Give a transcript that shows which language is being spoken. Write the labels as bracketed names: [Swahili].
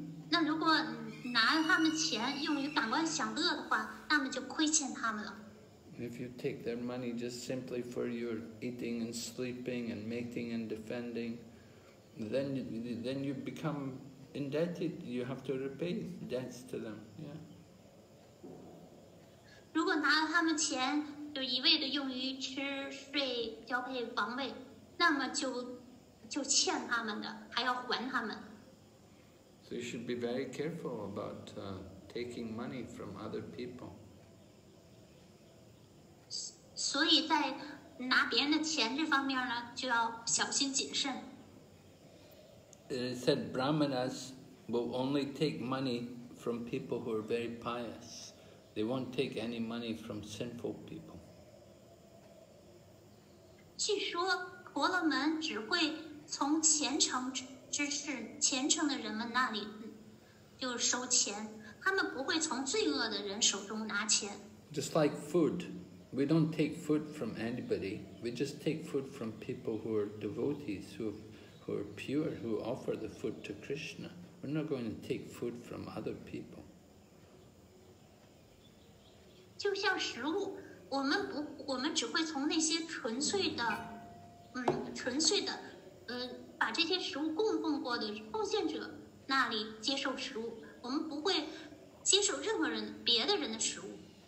[Chinese] 那如果拿他们钱用于感官享乐的话，那么就亏欠他们了。 [English] If you take their money just simply for your eating and sleeping and mating and defending, then you become indebted. You have to repay debts to them. Yeah. [Chinese] 如果拿了他们钱，就一味的用于吃、睡、交配、防卫，那么就欠他们的，还要还他们。 [English] So you should be very careful about taking money from other people. [Chinese] 所以在拿别人的钱这方面呢，就要小心谨慎。 [English] It said Brahmanas will only take money from people who are very pious. They won't take any money from sinful people. [Chinese] 据说婆罗门只会从虔诚之士、虔诚的人们那里就收钱，他们不会从罪恶的人手中拿钱。 [English] Just like food, we don't take food from anybody. We just take food from people who are devotees, who are pure, who offer the food to Krishna. We're not going to take food from other people. [Chinese] 就像食物，我们只会从那些纯粹的，把这些食物供奉过的奉献者那里接受食物，我们不会接受任何人别的人的食物。